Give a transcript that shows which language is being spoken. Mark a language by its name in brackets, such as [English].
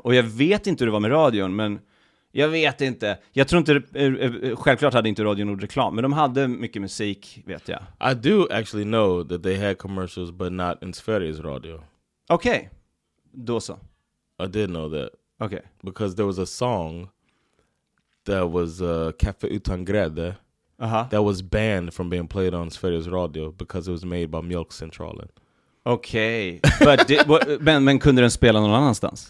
[Swedish] Och jag vet inte hur det var med radion, men... Jag vet inte. Jag tror inte... Självklart hade inte Radio Nord reklam, men de hade mycket musik, vet jag. [English] I do actually know that they had commercials, but not in Sveriges radio. [Swedish] Okej. Okay. Då så. [English] I did know that. [Swedish] Okej. [English] Okay. Because there was a song that was Café Utan Grädde uh-huh. that was banned from being played on Sveriges radio because it was made by Mjölkcentralen. Okay. But [Swedish] men kunde den spela någon annanstans?